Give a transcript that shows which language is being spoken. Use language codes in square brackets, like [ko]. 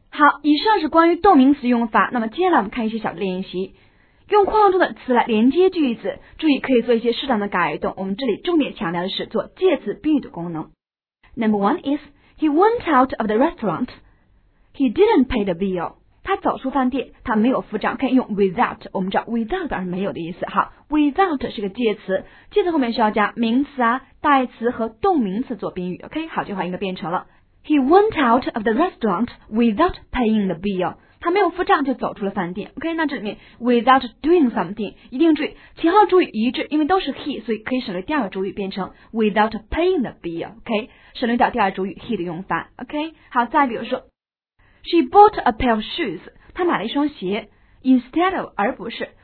[zh] 好，以上是关于动名词用法。那么接下来我们看一些小练习，用框中的词来连接句子，注意可以做一些适当的改动。我们这里重点强调的是做介词宾语的功能。 [en] Number one is, he went out of the restaurant. He didn't pay the bill. [zh] 他走出饭店，他没有付账。可以用 without， 我们知道 without 表示没有的意思。好， without 是个介词，介词后面需要加名词啊、代词和动名词做宾语。 [en] OK， 好，这句话应该变成了 He went out of the restaurant without paying the bill. [zh] 他没有付账就走出了饭店。 OK， 那这里面 without doing something， 一定注意前后主语一致，因为都是 he， 所以可以省略第二个主语，变成 without paying the bill. OK， 省略掉第二个主语 he 的用法。OK， 好，再比如说。 [en] She bought a pair of shoes. 她买了一双鞋。 Instead of, 而不是。